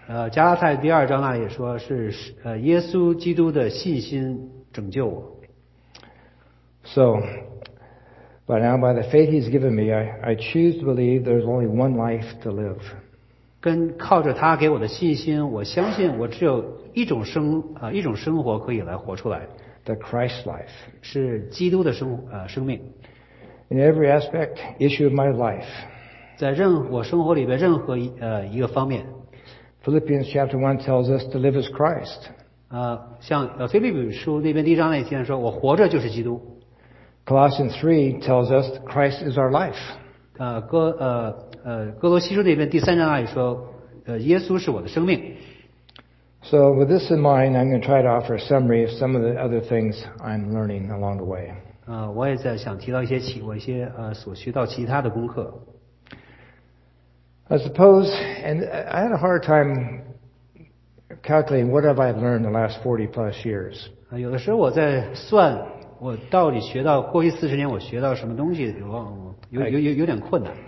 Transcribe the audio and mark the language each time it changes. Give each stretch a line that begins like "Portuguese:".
Chinese: 加拉太第二章那里也说是耶稣基督的信心拯救我。
English: So, but now by the faith He's given me, I choose to believe there's only one life to live.
Chinese: 跟靠着他给我的信心，我相信我只有一种生活可以来活出来。
English: The Christ life
Chinese: 是基督的生命。
English: In every aspect issue of my life，
Chinese: 在我生活里边任何一个方面。
English: Philippians chapter 1 tells us to live as Christ。
Chinese: 像腓立比书那边第一章那天说，我活着就是基督。
English: Colossians 3 tells us Christ is our life。
Chinese: 哥罗西书那边第三章那里说，耶稣是我的生命。
English: So with this in mind, I'm going to try to offer a summary of some of the other things I'm learning along the way.
Chinese: 我也在想提到一些所学到其他的功课。
English: I suppose, and I had a hard time calculating what have I learned the last 40 plus years.
Chinese: 有的时候我在算我到底学到过去40年我学到什么东西，有点困难。